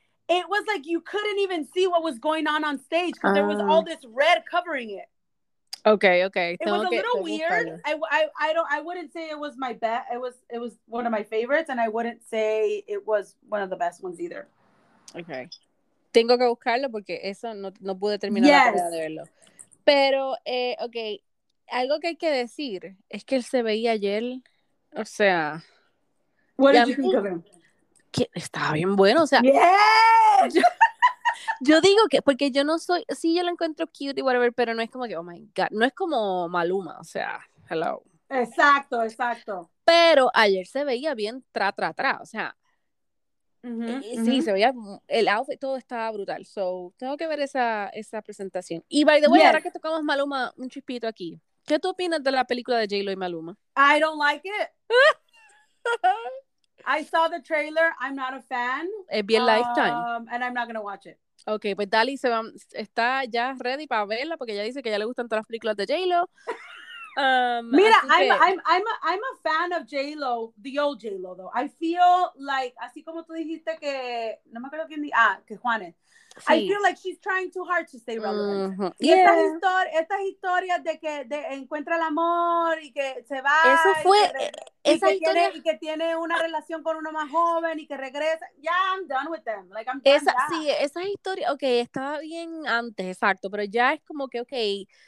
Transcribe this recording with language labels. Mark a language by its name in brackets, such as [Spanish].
[English] it was like you couldn't even see what was going on stage because there was all this red covering it. Okay, okay. It was a little weird. I wouldn't say it was my best. It was one of my favorites, and I wouldn't say it was one of the best ones either. Okay. [Spanish] Tengo que buscarlo porque eso no pude terminar la pelea de verlo. Pero, okay, algo que hay que decir es que él se veía ayer, o sea... [English] What did you think of him? [Spanish] Que estaba bien bueno, o sea... [English] ¡Yes! [Spanish] Yo digo que, porque yo no soy, sí, yo lo encuentro cute y whatever, pero no es como que, [English] oh my God, [Spanish] no es como Maluma, o sea, hello. Exacto, exacto. Pero ayer se veía bien tra, o sea, sí. Se veía, el outfit, todo estaba brutal, so, tengo que ver esa presentación. Y [English] by the way, [Spanish] ahora que tocamos Maluma, un chispito aquí, ¿qué tú opinas de la película de J-Lo y Maluma? [English] I don't like it. I saw the trailer. I'm not a fan. [Spanish] Es bien Lifetime. [English] And I'm not going to watch it. [Spanish] Okay, pues Dali está ya ready para verla porque ella dice que ya le gustan todas las películas de J-Lo. [English] Mira, I'm a fan of J-Lo, the old J-Lo, though. I feel like, [Spanish] así como tú dijiste que, no me acuerdo quién, que Juanes. Sí. [English] I feel like she's trying too hard to stay relevant. Mm-hmm. Yeah. [Spanish] Estas historias de que de encuentra el amor y que se va. Eso fue. Y que tiene una relación con uno más joven y que regresa. [English] Yeah, I'm done with them. Like, I'm done. [Spanish] Sí, esas historias, okay, estaba bien antes, exacto, pero ya es como que, okay.